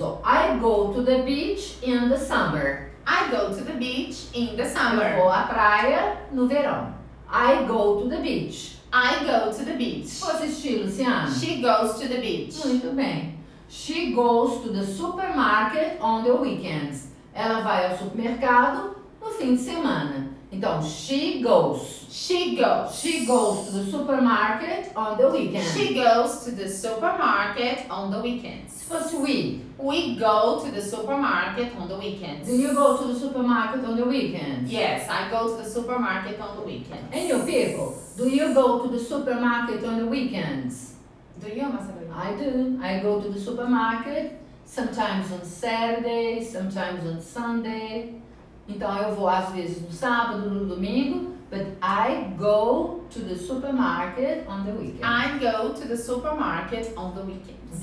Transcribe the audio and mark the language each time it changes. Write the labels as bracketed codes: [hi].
[en] I go to the beach in the summer. I go to the beach in the summer. [pt] Eu vou à praia no verão. [en] I go to the beach. I go to the beach. [pt] Você assistiu, Luciana? [en] She goes to the beach. [pt] Muito bem. [en] She goes to the supermarket on the weekends. [pt] Ela vai ao supermercado no fim de semana. [en] Então, she goes. She goes. She goes to the supermarket on the weekends. She goes to the supermarket on the weekends. What's we? We go to the supermarket on the weekends. Do you go to the supermarket on the weekends? Yes, I go to the supermarket on the weekends. And you people, do you go to the supermarket on the weekends? Do you, Marcelina? I do. I go to the supermarket sometimes on Saturday, sometimes on Sunday. [pt] Então, eu vou às vezes no sábado, no domingo. [en] But I go to the supermarket on the weekend. I go to the supermarket on the weekends.